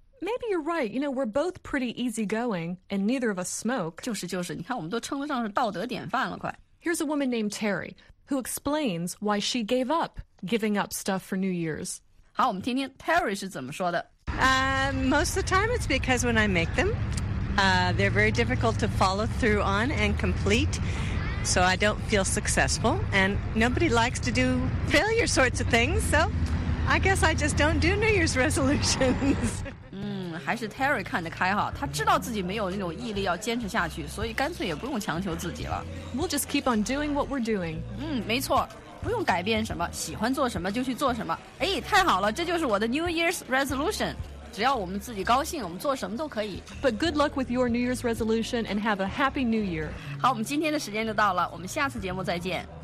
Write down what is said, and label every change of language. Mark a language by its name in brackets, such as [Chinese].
[English] Maybe you're right. You know, we're both pretty easygoing, and neither of us smoke. [Chinese] 就是，你看我们都称得上是道德典范了，快。 [English] Here's a woman named Terry, who explains why she gave up giving up stuff for New Year's. [Chinese] 好，我们听听 Terry 是怎么说的。 [English] Most of the time it's because when I make them, they're very difficult to follow through on and complete. So I don't feel successful, and nobody likes to do failure sorts of things, so I guess I just don't do New Year's resolutions. [Chinese] 还是 Terry 看得开哈，他知道自己没有那种毅力要坚持下去，所以干脆也不用强求自己了。 [English] We'll just keep on doing what we're doing. [Chinese] 没错，不用改变什么，喜欢做什么就去做什么。哎，太好了，这就是我的 New Year's resolution. 只要我们自己高兴，我们做什么都可以。 [English] But good luck with your New Year's resolution and have a happy New Year. [Chinese] 好，我们今天的时间就到了，我们下次节目再见。